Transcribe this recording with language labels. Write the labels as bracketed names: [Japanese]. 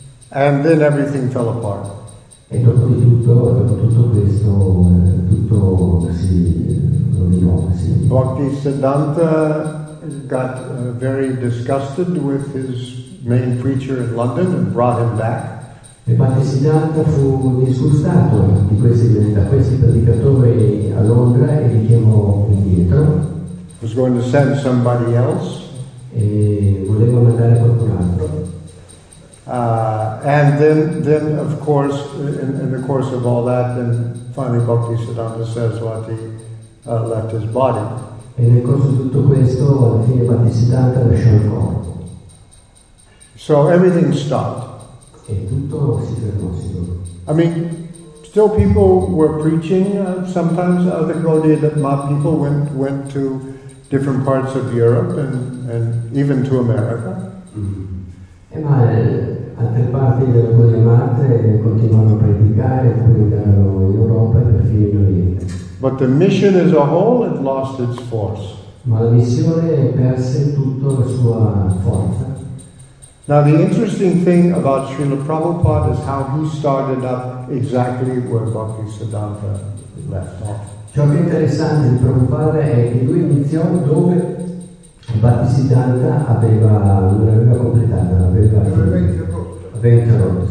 [English] And then everything fell apart. Bhaktisiddhanta got very disgusted with his main preacher in London and brought him back. [Italian] E Bhaktisiddhanta fu disgustato di questi predicatori a Londra e li chiamò indietro. [English] Was going to send somebody else. [Italian] E voleva mandare qualcun altro. [English] And then of course, in the course of all that, then finally Bhaktisiddhanta Saraswati left his body. [Italian] E nel corso di tutto questo, alla fine Bhaktisiddhanta lasciò il corpo. [English] So everything stopped. [Italian] E tutto si fermò. [English] I mean, still people were preaching. Sometimes other Gaudiya Dhamma people went to different parts of Europe and even to America. [Italian] Mm-hmm. E ma altre parti della Gaudiya Dhamma continuano a predicare, poi andarono in Europa e perfino in Oriente. [English] But the mission as a whole had lost its force. [Italian] Ma la missione perse tutta la sua forza. [English] Now the interesting thing about Srila Prabhupada is how he started up exactly where Bhaktisiddhanta left off. [Italian] Ciò che è interessante di Prabhupada è che lui iniziò dove Bhaktisiddhanta aveva completato, aveva interrotto.